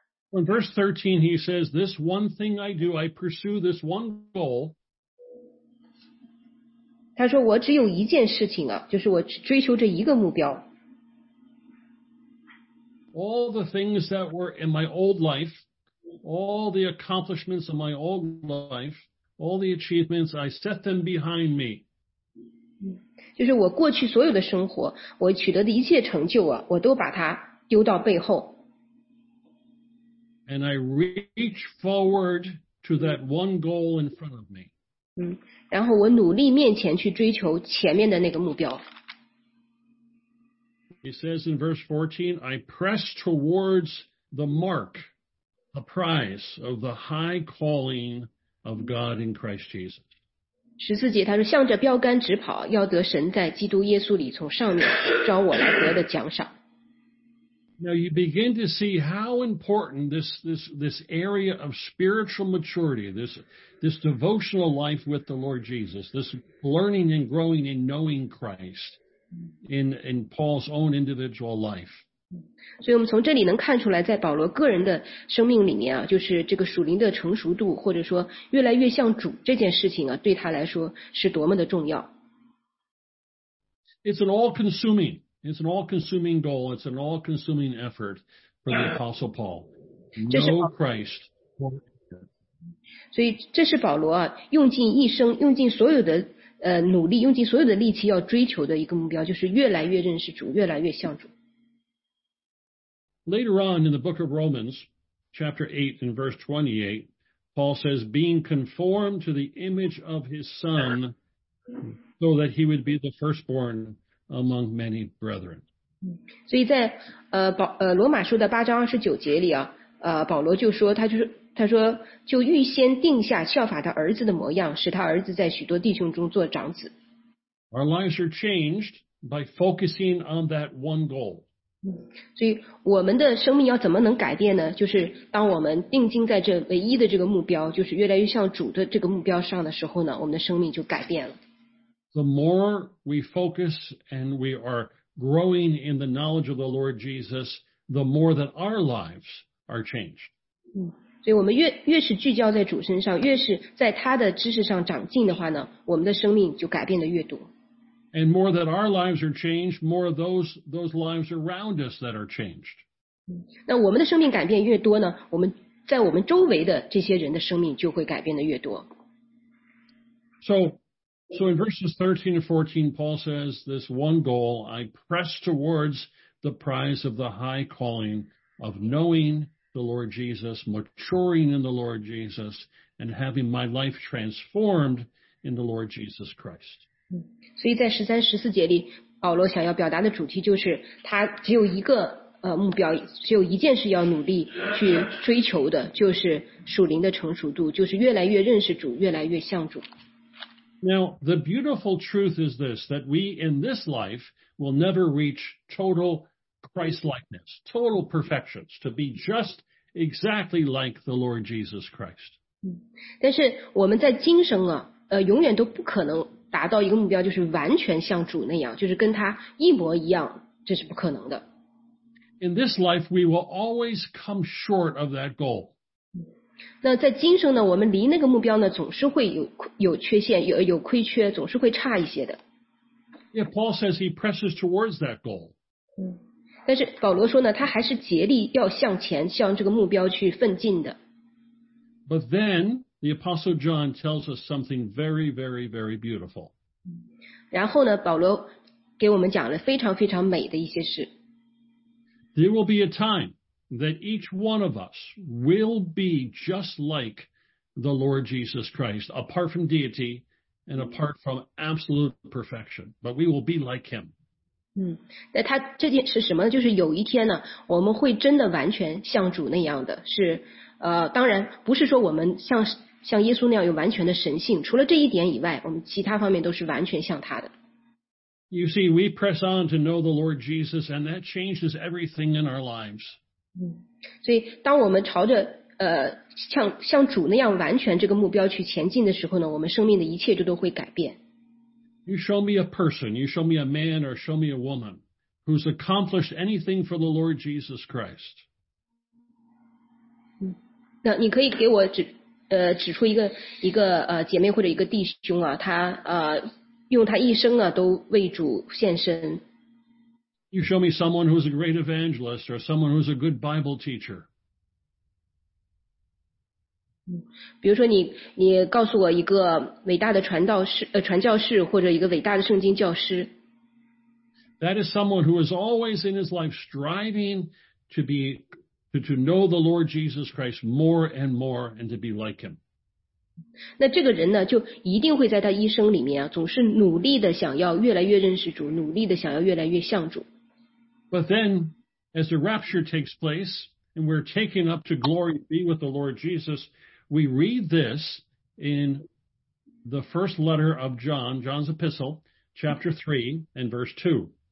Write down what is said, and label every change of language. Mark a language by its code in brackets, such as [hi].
[en] In verse 13, he says, "This one thing I do, I pursue this one goal." [zh] 他说，我只有一件事情啊，就是我追求这一个目标。 [en] All the things that were in my old life, all the accomplishments of my old life, all the achievements, I set them behind me. [zh] 就是我过去所有的生活，我取得的一切成就啊，我都把它丢到背后。 [en] And I reach forward to that one goal in front of me. [zh] 然后我努力面前去追求前面的那个目标。 [en] He says in verse 14, "I press towards the mark, the prize of the high calling of God in Christ Jesus. [zh] 14节他说向着标杆直跑，要得神在基督耶稣里从上面召我来得的奖赏。 [en] Now you begin to see how important this area of spiritual maturity, this devotional life with the Lord Jesus, this learning and growing and knowing Christ in Paul's own individual life. [zh] 所以我们从这里能看出来，在保罗个人的生命里面啊，就是这个属灵的成熟度，或者说越来越像主这件事情啊，对他来说是多么的重要。 [en] It's an all-consuming. It's an all-consuming goal. It's an all-consuming effort for the Apostle Paul. Know Christ. [zh] 所以这是保罗啊，用尽一生，用尽所有的努力，用尽所有的力气要追求的一个目标，就是越来越认识主，越来越像主。 [en] Later on in the book of Romans, chapter 8 and verse 28, Paul says, being conformed to the image of his son, so that he would be the firstborn. Among many brethren. [zh] 所以在罗马书的八章二十九节里啊，保罗就说，他说就预先定下效法他儿子的模样，使他儿子在许多弟兄中做长子。 [en] Our lives are changed by focusing on that one goal. [zh] 所以我们的生命要怎么能改变呢？就是当我们定睛在这唯一的这个目标，就是越来越像主的这个目标上的时候呢，我们的生命就改变了。 [en] The more we focus and we are growing in the knowledge of the Lord Jesus, the more that our lives are changed. [zh] 所以我们越是聚焦在主身上，越是在他的知识上长进的话呢，我们的生命就改变得越多。 [en] And more that our lives are changed, more of those lives around us that are changed. [zh] 那我们的生命改变越多呢，我们在我们周围的这些人的生命就会改变得越多。 [en] So in verses 13 and 14, Paul says this one goal, I press towards the prize of the high calling of knowing the Lord Jesus, maturing in the Lord Jesus, and having my life transformed in the Lord Jesus Christ. [zh] 所以在13、14节里，保罗想要表达的主题就是他只有一个目标，只有一件事要努力去追求的，就是属灵的成熟度，就是越来越认识主，越来越像主。 [en] Now, the beautiful truth is this, that we in this life will never reach total Christ-likeness, total perfections, to be just exactly like the Lord Jesus Christ. [zh] 但是我们在今生啊，永远都不可能达到一个目标，就是完全像主那样，就是跟他一模一样，这是不可能的。 [en] In this life, we will always come short of that goal. [zh] 那在今生呢，我们离那个目标呢，总是会有缺陷，有亏缺，总是会差一些的。 [en] Yeah, Paul says he presses towards that goal. [zh] 但是保罗说呢，他还是竭力要向前，向这个目标去奋进的。 [en] But then the Apostle John tells us something very, very, very beautiful. [zh] 然后呢，保罗给我们讲了非常非常美的一些事。 [en] There will be a time. That each one of us will be just like the Lord Jesus Christ, apart from deity and apart from absolute perfection. But we will be like him. [zh] 那他这件是什么呢？就是有一天呢，我们会真的完全像主那样的，是当然不是说我们像耶稣那样有完全的神性，除了这一点以外，我们其他方面都是完全像他的。 [en] You see, we press on to know the Lord Jesus, and that changes everything in our lives. [zh] 所以当我们朝着像主那样完全这个目标去前进的时候呢，我们生命的一切就都会改变。 [en] You show me a person, you show me a man or show me a woman who's accomplished anything for the Lord Jesus Christ. [zh] 那你可以给我指出一个姐妹或者一个弟兄啊，他用他一生啊都为主献身。 [en] You show me someone who's a great evangelist or someone who's a good Bible teacher. [zh] 比如说你告诉我一个伟大的传道士传教士或者一个伟大的圣经教师。 [en] That is someone who is always in his life striving to know the Lord Jesus Christ more and more and to be like him. [zh] 那这个人呢就一定会在他一生里面啊总是努力的想要越来越认识主努力的想要越来越像主。 [en] But then, as the rapture takes place, and we're taken up to glory to be with the Lord Jesus, we read this in the first letter of John, John's epistle, chapter 3 and verse 2.